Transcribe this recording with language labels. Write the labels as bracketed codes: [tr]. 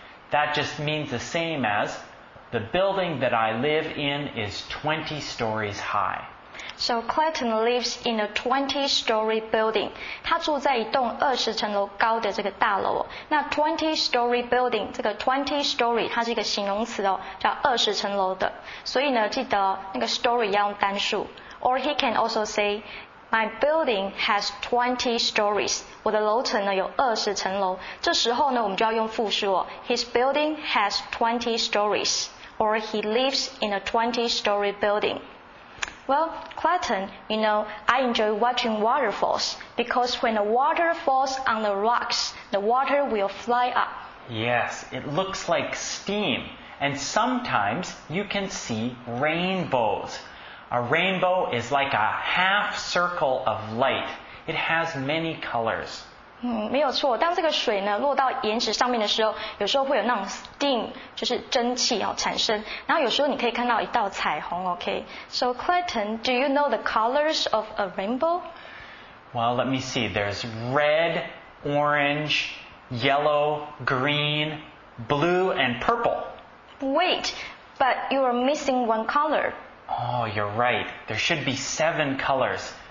[en] That just means the same as the building that I live in is 20 stories high. So Clayton lives in a 20-story building. [zh] 他住在一栋二十层楼高的这个大楼哦。那 20-story building 这个 20-story 它是一个形容词哦，叫二十层楼的。所以呢，记得那个 story 要用单数。 [en] Or he can also say, My building has 20 stories. [zh] 我的楼层呢有二十层楼。这时候呢我们就要用复数哦。 [en] His building has 20 stories. Or he lives in a 20-story building. Well, Clayton, you know, I enjoy watching waterfalls because when a water falls on the rocks, the water will fly up. Yes, it looks like steam. And sometimes you can see rainbows. A rainbow is like a half circle of light. It has many colors. [zh] 没有错。当这个水呢落到岩石上面的时候，有时候会有那种 steam， 就是蒸汽哦产生。然后有时候你可以看到一道彩虹。 [en] Okay. So Clayton, do you know the colors of a rainbow? Well, let me see. There's red, orange, yellow, green, blue, and purple. Wait, but you are missing one color. Oh, you're right. There should be 7 colors.